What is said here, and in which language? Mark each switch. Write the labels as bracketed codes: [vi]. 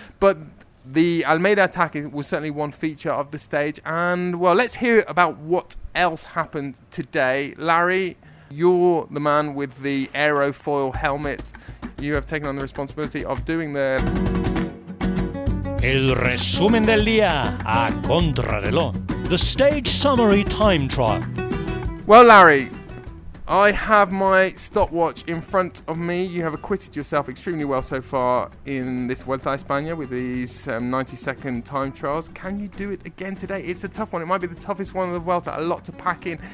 [en] But the Almeida attack was certainly one feature of the stage. And, well, let's hear about what else happened today. Larry, you're the man with the aerofoil helmet. You have taken on the responsibility of doing the [es] El resumen del día a contrarreloj. [en] The stage summary time trial. Well, Larry, I have my stopwatch in front of me. You have acquitted yourself extremely well so far in this Vuelta a España with these 90-second time trials. Can you do it again today? It's a tough one. It might be the toughest one of the Vuelta. A lot to pack in.